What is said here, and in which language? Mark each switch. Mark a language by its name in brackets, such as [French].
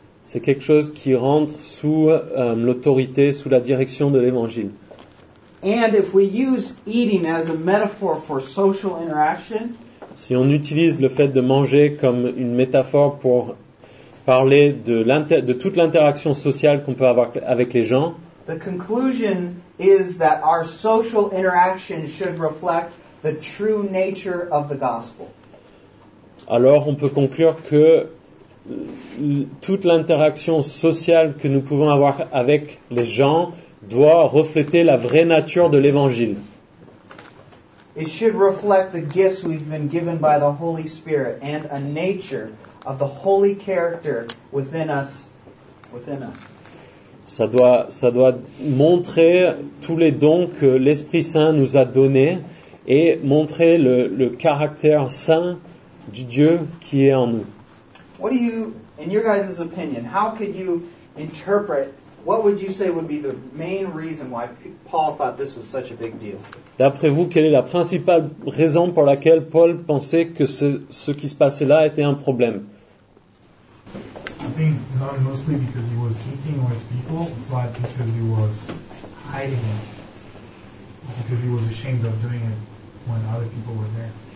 [French] C'est quelque chose qui rentre sous l'autorité, sous la direction de l'Évangile. [English] And if we use eating as a metaphor for social interaction, [French] si on utilise le fait de manger comme une métaphore pour parler de toute l'interaction sociale qu'on peut avoir avec les gens, [English] the conclusion is that our social interaction should reflect the true nature of the gospel. [French] Alors, on peut conclure que toute l'interaction sociale que nous pouvons avoir avec les gens doit refléter la vraie nature de l'Évangile. [English] It should reflect the gifts we've been given by the Holy Spirit and a nature of the holy character within us. [French] Ça doit montrer tous les dons que l'Esprit Saint nous a donnés et montrer le caractère saint du Dieu qui est en nous. [English] What do you, in your guys' opinion, how could you interpret, what would you say would be the main reason why Paul thought this was such a big deal? [French] D'après vous, quelle est la principale raison pour laquelle Paul pensait que ce qui se passait là était un problème? [English] I think not mostly because he was eating with people, but because he was hiding it. Because he was ashamed of doing it when other people were there.